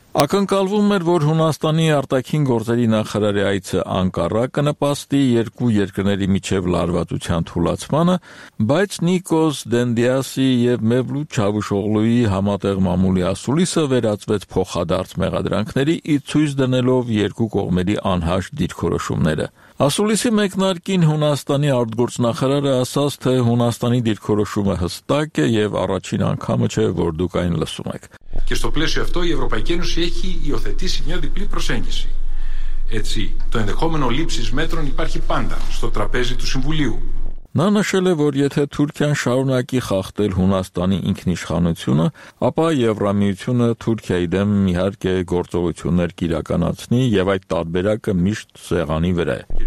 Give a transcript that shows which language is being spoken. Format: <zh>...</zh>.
<hy>Ակնկալվում էր, որ Հունաստանի արտաքին գործերի նախարարի այցը Անկարա կնպաստի երկու երկրների միջև լարվածության թուլացմանը, բայց Նիկոս Դենդիասի և Մևլութ Չավուշօղլուի համատեղ մամուլի ասուլիսը վերածվեց փոխադարձ մեղադրանքների, ի ցույց դնելով երկու կողմերի անհաշ դիրքորոշումները։ Ասուլիսի մեկնարկին Հունաստանի արտգործնախարարը ասաց, թե Հունաստանի դիրքորոշումը հստակ է և առաջին անգամը չէ, որ դուք այն լսում եք։</hy> <el>Και στο πλαίσιο αυτό η Ευρωπαϊκή Ένωση έχει υιοθετήσει μια διπλή προσέγγιση. Έτσι, το ενδεχόμενο λήψης μέτρων υπάρχει πάντα στο τραπέζι του Συμβουλίου.</el> <hy>Նա նշել է, որ եթե Թուրքիան շարունակի խախտել Հունաստանի ինքնիշխանությունը, ապա Եվրամիությունը Թուրքիայի դեմ իհարկե գործողություններ կիրականացնի և այդ տարբերակը միշտ սեղանի վրա</hy>